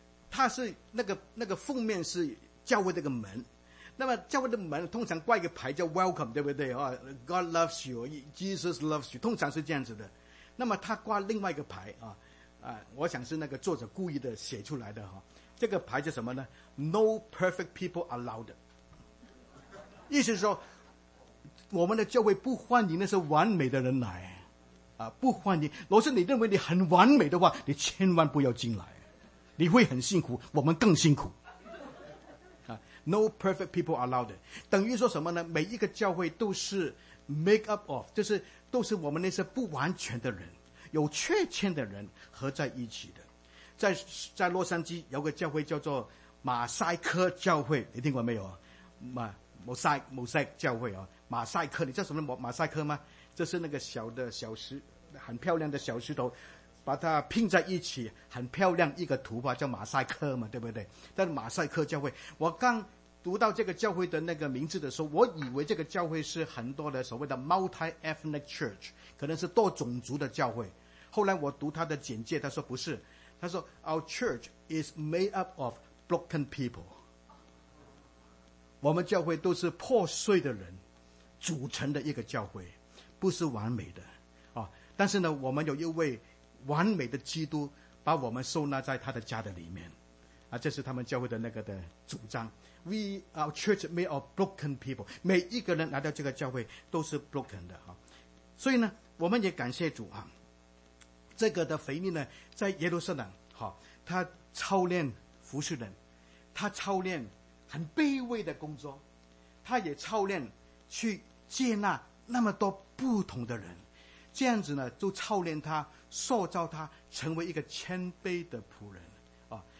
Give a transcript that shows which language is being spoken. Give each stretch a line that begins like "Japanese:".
Chinese: 它是那个封面是教会这个门，那么教会的门通常挂一个牌叫 Welcome， 对不对啊 ？
English: God loves you，Jesus loves you，
Chinese: 通常是这样子的。那么他挂另外一个牌啊，我想是那个作者故意的写出来的哈。这个牌叫什么呢 ？
English: No perfect people allowed。
Chinese: 意思是说，我们的教会不欢迎那些完美的人来，啊，不欢迎。若是你认为你很完美的话，你千万不要进来，你会很辛苦，我们更辛苦。啊 ，
English: No perfect people allowed，
Chinese: 等于说什么呢？每一个教会都是
English: make up of，
Chinese: 就是都是我们那些不完全的人，有缺陷的人合在一起的。在洛杉矶有个教会叫做马赛克教会，你听过没有？马赛克教会啊，马赛克，你知道什么马赛克吗？这是那个小的小石，很漂亮的小石头，把它拼在一起，很漂亮一个图画，叫马赛克嘛，对不对？但是马赛克教会，我刚读到这个教会的那个名字的时候，我以为这个教会是很多的所谓的
English: multi ethnic church，
Chinese: 可能是多种族的教会。后来我读他的简介，他说不是。他说
English: ：“Our church is made up of broken people。
Chinese: 我们教会都是破碎的人组成的一个教会，不是完美的啊，但是呢，我们有一位完美的基督把我们收纳在他的家的里面啊，这是他们教会的那个的主张。
English: We are church made of broken people，
Chinese: 每一个人来到这个教会都是 broken 的啊。所以呢，我们也感谢主啊，这个的腓力呢，在耶路撒冷哈，他操练服侍人，他操练很卑微的工作，他也操练去接纳那么多不同的人，这样子呢，就操练他，塑造他成为一个谦卑的仆人啊。